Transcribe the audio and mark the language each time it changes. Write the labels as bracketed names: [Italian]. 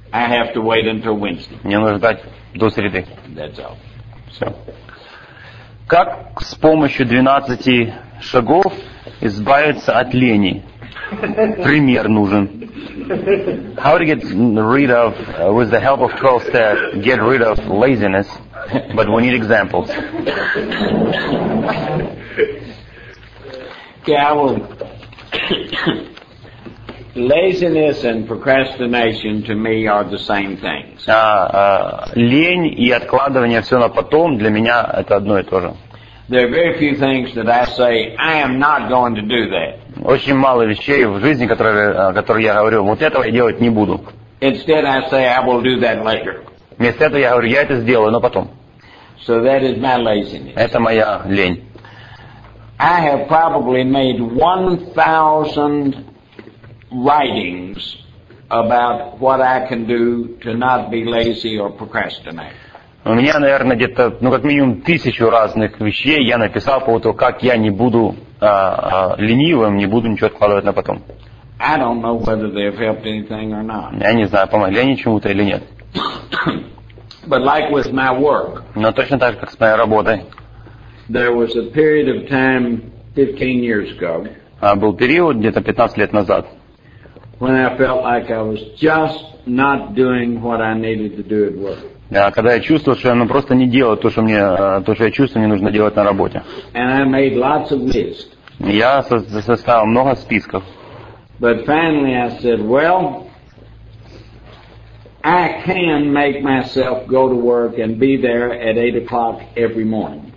[English] I have to wait until Wednesday. [Russian] Мне нужно ждать до среды. [English] That's all. [Russian] Все. Как с помощью 12 шагов избавиться от лени? Пример нужен. [English] How to get rid of, with the help of 12 steps, get rid of laziness, but we need examples. Okay, I will. Laziness and procrastination to me are the same things. [Russian] Лень и откладывание все на потом для меня это одно и то же. [English] There are very few things that I say I am not going to do that. [Russian] Очень мало вещей в жизни, которые я говорю, вот этого я делать не буду. [English] Instead, I say I will do that later. [Russian] Вместо этого я говорю, я это сделаю, но потом. [English] So that is my laziness. [Russian] Это моя лень. [English] I have probably made 1,000 writings about what I can do to not be lazy or procrastinate. [Russian] У меня, наверное, где-то, ну, как минимум, 1000 разных вещей я написал по поводу того, как я не буду ленивым, не буду ничего откладывать на потом. [English] I don't know whether they've helped anything or not. [Russian] Я не знаю, помогли они чему-то или нет. [English] But like with my work, [Russian] но точно так же, как с моей работой. [English] There was a period of time 15 years ago, [Russian] был период где-то 15 лет назад, [English] when I felt like I was just not doing what I needed to do at work. [Russian] Да, когда я чувствовал, что я просто не делаю то, что я чувствую, мне нужно делать на работе. [English] And I made lots of lists. [Russian] Я составил много списков. [English] But finally I said, well, I can make myself go to work and be there at 8 o'clock every morning.